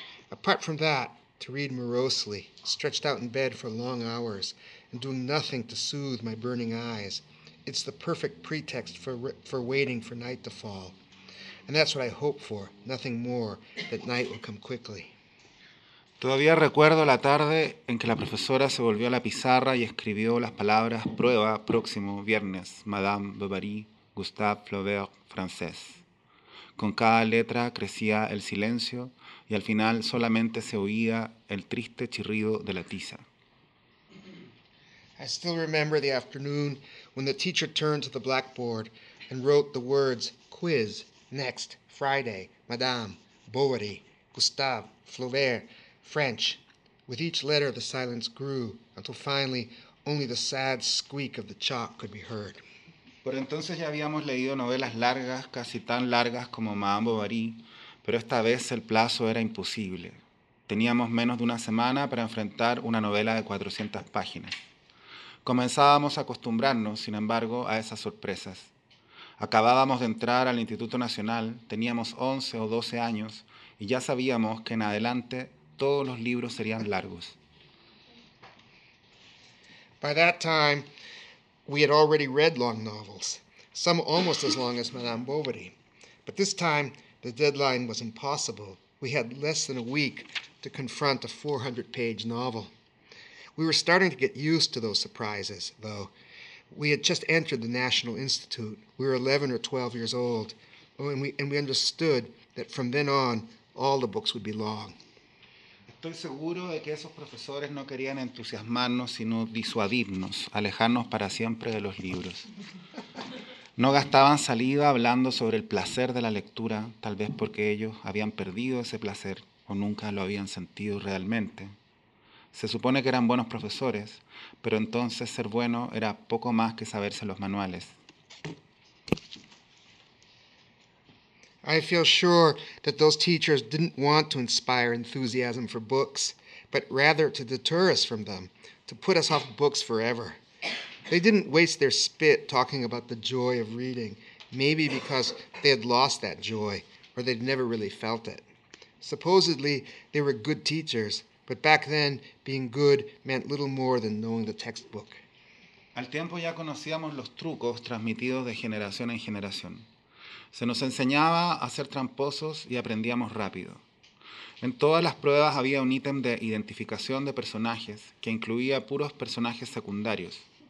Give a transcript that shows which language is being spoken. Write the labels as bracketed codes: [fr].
[en] Apart from that, to read morosely, stretched out in bed for long hours, and doing nothing to soothe my burning eyes. It's the perfect pretext for waiting for night to fall. And that's what I hope for, nothing more, that night will come quickly. [es] Todavía recuerdo la tarde en que la profesora se volvió a la pizarra y escribió las palabras prueba próximo viernes, Madame Bovary, Gustave Flaubert, francés. Con cada letra crecía el silencio y al final solamente se oía el triste chirrido de la tiza. [en] I still remember the afternoon when the teacher turned to the blackboard and wrote the words, quiz, next, Friday, Madame, Bovary, Gustave, Flaubert, French. With each letter, the silence grew until finally only the sad squeak of the chalk could be heard. [es] Por entonces ya habíamos leído novelas largas, casi tan largas como Madame Bovary, pero esta vez el plazo era imposible. Teníamos menos de una semana para enfrentar una novela de 400 páginas. Comenzábamos a acostumbrarnos, sin embargo, a esas sorpresas. Acabábamos de entrar al Instituto Nacional, teníamos 11 o 12 años, y ya sabíamos que en adelante todos los libros serían largos. [en] By that time, we had already read long novels, some almost as long as Madame Bovary. But this time, the deadline was impossible. We had less than a week to confront a 400-page novel. We were starting to get used to those surprises, though. We had just entered the National Institute. We were 11 or 12 years old, and we understood that from then on, all the books would be long. [es] Estoy seguro de que esos profesores no querían entusiasmarnos, sino disuadirnos, alejarnos para siempre de los libros. No gastaban saliva hablando sobre el placer de la lectura, tal vez porque ellos habían perdido ese placer o nunca lo habían sentido realmente. Se supone que eran buenos profesores, pero entonces ser bueno era poco más que saberse los manuales. [en] I feel sure that those teachers didn't want to inspire enthusiasm for books, but rather to deter us from them, to put us off books forever. They didn't waste their spit talking about the joy of reading, maybe because they had lost that joy, or they'd never really felt it. Supposedly, they were good teachers, but back then, being good meant little more than knowing the textbook. [es] Al tiempo ya conocíamos los trucos transmitidos de generación en generación. Se nos enseñaba a ser tramposos y aprendíamos rápido. En todas las pruebas había un ítem de identificación de personajes que incluía puros personajes secundarios.